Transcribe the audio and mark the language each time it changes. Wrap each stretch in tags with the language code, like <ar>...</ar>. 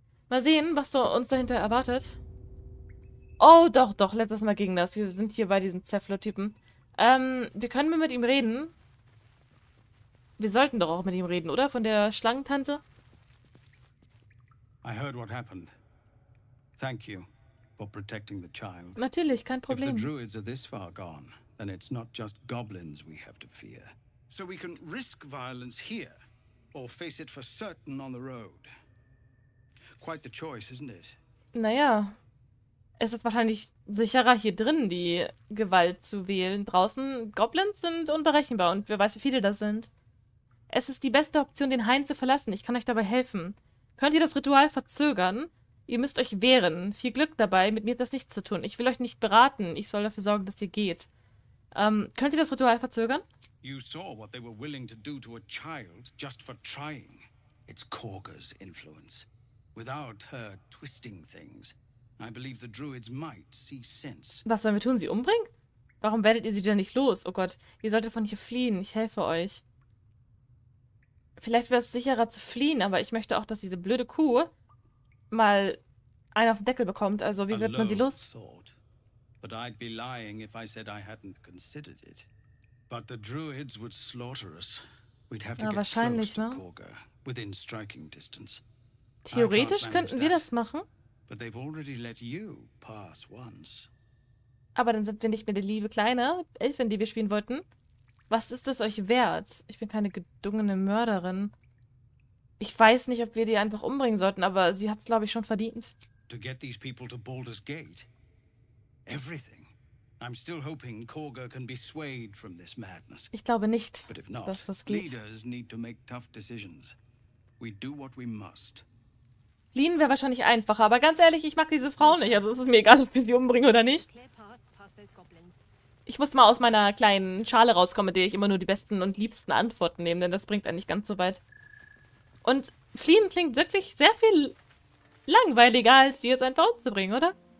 <de>Mal sehen, was so uns dahinter erwartet. Oh, doch, doch. Letztes Mal ging das. Wir sind hier bei diesen Zephlo-Typen. Wir können mit ihm reden. Wir sollten doch auch mit ihm reden, oder? Von der Schlangentante?</de> <en>I heard what happened. Thank you for protecting the child.</en> <de>Natürlich, kein Problem.</de> <en>If the druids are this far gone, then it's not just goblins we have to fear. So we can risk violence here, or face it for certain on the road. Quite the choice, isn't it?</en> <de>Naja. Es ist wahrscheinlich sicherer, hier drin die Gewalt zu wählen. Draußen, Goblins sind unberechenbar und wer weiß, wie viele das sind. Es ist die beste Option, den Hain zu verlassen. Ich kann euch dabei helfen. Könnt ihr das Ritual verzögern? Ihr müsst euch wehren. Viel Glück dabei, mit mir hat das nichts zu tun. Ich will euch nicht beraten. Ich soll dafür sorgen, dass ihr geht. Könnt ihr das Ritual verzögern?</de> <en>You saw what they were willing to do to a child just for trying. It's Corga's influence. Without her twisting things, I believe the druids might see sense.</en> <de>Was sollen wir tun? Sie umbringen? Warum werdet ihr sie denn nicht los? Oh Gott, ihr solltet von hier fliehen. Ich helfe euch. Vielleicht wäre es sicherer zu fliehen, aber ich möchte auch, dass diese blöde Kuh mal einen auf den Deckel bekommt. Also, wie wird man sie los?</de> <en>Thought. But I'd be lying if I said I hadn't considered it. But the druids would slaughter us. We'd have to get close to Corga,</en> <de>ne?</de> <en>Within striking distance.</en> <de>Theoretisch könnten wir das machen.</de> <en>But they've already let you pass once.</en> <de>Aber dann sind wir nicht mehr die liebe kleine Elfin, die wir spielen wollten. Was ist es euch wert? Ich bin keine gedungene Mörderin. Ich weiß nicht, ob wir die einfach umbringen sollten, aber sie hat es, glaube ich, schon verdient.</de> <en>To get these people to Baldur's Gate. Everything. I'm still hoping Corga can be swayed from this madness.</en> <de>Ich glaube nicht,</de> <en>but if not,</en> <de>dass das geht.</de> <en>Leaders need to make tough decisions. We do what we must.</en> <de>Lean wäre wahrscheinlich einfacher, aber ganz ehrlich, ich mag diese Frau nicht. Also es ist mir egal, ob wir sie umbringen oder nicht. Ich muss mal aus meiner kleinen Schale rauskommen, in der ich immer nur die besten und liebsten Antworten nehme, denn das bringt einen nicht ganz so weit. Und fliehen klingt wirklich sehr viel langweiliger, als sie jetzt einfach umzubringen, oder?</de>